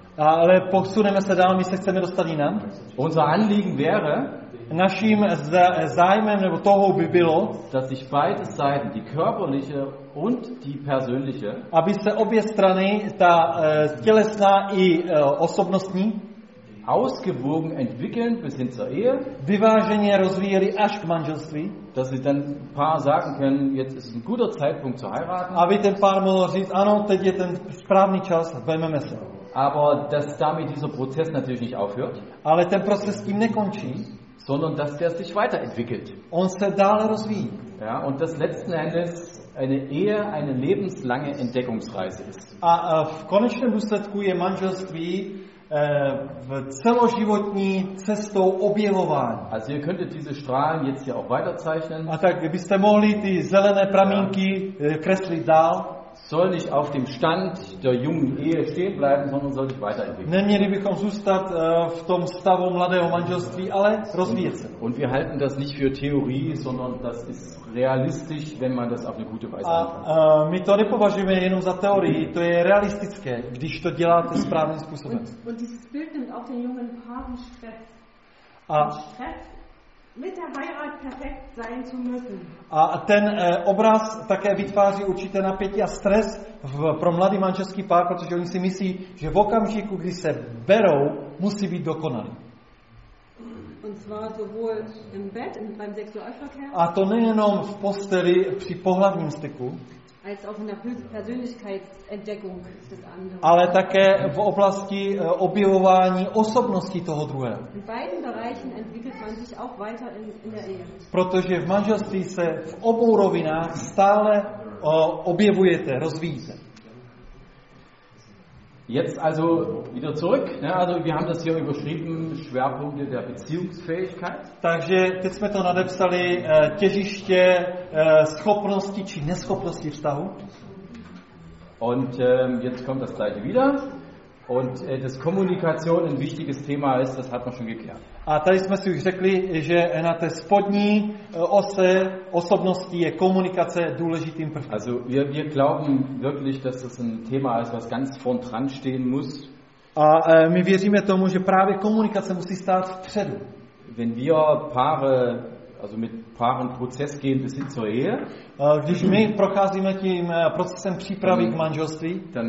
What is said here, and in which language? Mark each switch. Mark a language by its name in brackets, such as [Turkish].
[Czech] Ale posuneme se dál, my se chceme dostat jinam. [German] Unser Anliegen wäre, [Czech] naším zájmem nebo touhou by bylo, [German] dass sich beide Seiten, die körperliche und die persönliche, [Czech] aby se obě strany, ta tělesná i osobnostní, [German] ausgewogen entwickeln bis hin zur Ehe, [Czech] vyváženě rozvíjeli až k manželství, [German] dass sie dann Paar sagen können, jetzt ist ein guter Zeitpunkt zu heiraten, [Czech] aby ten pár mohlo říct, ano, teď je ten správný čas, vezmeme se. [German] Aber dass damit dieser Prozess natürlich nicht aufhört. [Czech] Ale ten proces tím nekončí. [German] Sondern dass der sich weiterentwickelt. [Czech] Und se dál rozvíjí. [German] Ja, und dass letzten Endes eine Ehe eine lebenslange Entdeckungsreise ist. [Czech] A v konečném důsledku je manželství v celoživotní cestou objevování. [German] Also ihr könntet diese Strahlen jetzt hier auch weiterzeichnen. [Czech] A tak byste mohli ty zelené pramínky kreslit dál. [German] Soll nicht auf dem Stand der jungen Ehe stehen bleiben, sondern soll sich weiterentwickeln. [Czech] Neměli bychom zůstat v tom stavu mladého manželství, ale rozvíjet se. [German] Und wir halten das nicht für Theorie, sondern das ist realistisch, wenn man das auf eine gute Weise anfängt. [Czech] My to nepovažujeme jenom za teorii, to je realistické, když to děláte správným způsobem. [German] Und dieses Bild nimmt auch den jungen Paaren Stress. A mit der Heirat perfekt sein zu müssen. [Czech] A ten obraz také vytváří určité napětí a stres pro mladý manželský pár, protože oni si myslí, že v okamžiku, kdy se berou, musí být dokonalý. [German] Und zwar sowohl im Bett, beim Sexualverkehr. [Czech] A to nejenom v posteli při pohlavním styku, [German] als auch in der Persönlichkeitsentdeckung des anderen. [Czech] Ale také v oblasti objevování osobnosti toho druhého. [German] In beiden Bereichen entwickelt man sich auch weiter in der Ehe. [Czech] Protože v manželství se v obou rovinách stále objevujete, rozvíjíte. [German] Jetzt also wieder zurück, ne? Also wir haben das hier überschrieben, Schwerpunkte der Beziehungsfähigkeit. [Czech] Takže teď jsme to nadepsali těžiště schopnosti či neschopnosti vztahu. [German] Und jetzt kommt das gleiche wieder. Und das Kommunikation ein wichtiges Thema ist, das hat man schon geklärt. [Czech] A tady jsme si už řekli, že na té spodní ose osobnosti je komunikace důležitým prvkem. [German] Also wir glauben wirklich, dass das ein Thema ist, was ganz vorn dran stehen muss. [Czech] A my věříme tomu, že právě komunikace musí stát vpředu. [German] Wenn wir Paare, also mit Paaren Prozess gehen bis hin zur Ehe. [Czech] Když my procházíme tím procesem přípravy k manželství,